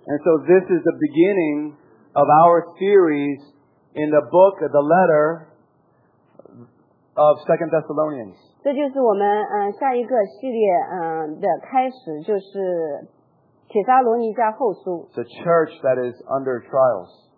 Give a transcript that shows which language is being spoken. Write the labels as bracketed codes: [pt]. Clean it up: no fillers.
[en] And so this is the beginning of our series. In the book, the letter of 2 Thessalonians. [zh] 这就是我们下一个系列的开始，就是帖撒罗尼迦后书。 [en] It's a church that is under trials.